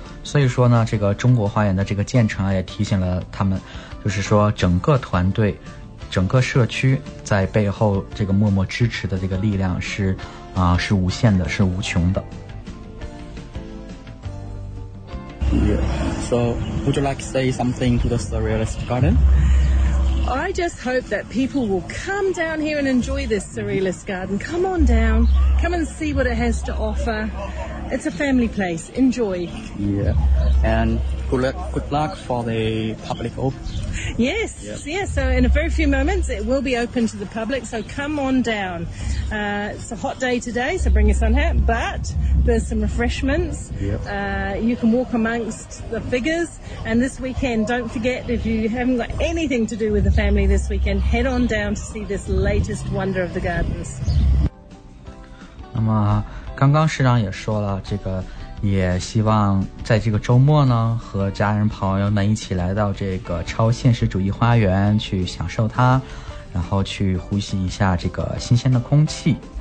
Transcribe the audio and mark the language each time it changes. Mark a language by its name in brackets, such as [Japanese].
[Chinese] 所以说呢，这个中国花园的这个建成啊，也提醒了他们，就是说整个团队、整个社区在背后这个默默支持的这个力量是啊，是无限的，是无穷的。 [English] Yeah. So, would you like to say something to the Surrealist Garden? I just hope that people will come down here and enjoy this Surrealist Garden. Come on down. Come and see what it has to offer. It's a family place. Enjoy. Yeah. And good luck for the public open. Yes. Yeah. Yeah. So in a very few moments, it will be open to the public. So come on down. It's a hot day today, so bring your sun hat. But there's some refreshments. Yeah. You can walk amongst the figures. And this weekend, don't forget, if you haven't got anything to do with the family this weekend, head on down to see this latest wonder of the gardens. [Chinese] 那么刚刚市长也说了，这个也希望在这个周末呢，和家人朋友们一起来到这个超现实主义花园去享受它，然后去呼吸一下这个新鲜的空气。